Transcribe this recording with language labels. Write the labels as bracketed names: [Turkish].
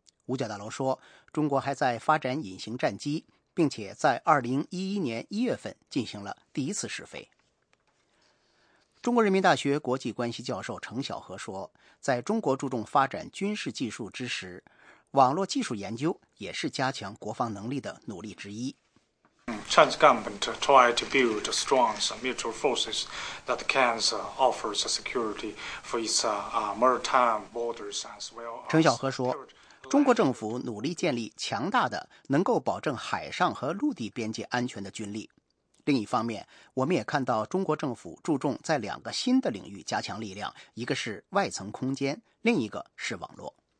[Chinese] 五角大楼说，中国还在发展隐形战机，并且在2011年1月份进行了第一次试飞。中国人民大学国际关系教授程晓和说，在中国注重发展军事技术之时，网络技术研究也是加强国防能力的努力之一。 [English] Chinese government try to build strong mutual forces that can offer security for its maritime borders as well. [Chinese] 程晓和说，中国政府努力建立强大的能够保证海上和陆地边界安全的军力。另一方面，我们也看到中国政府注重在两个新的领域加强力量，一个是外层空间，另一个是网络。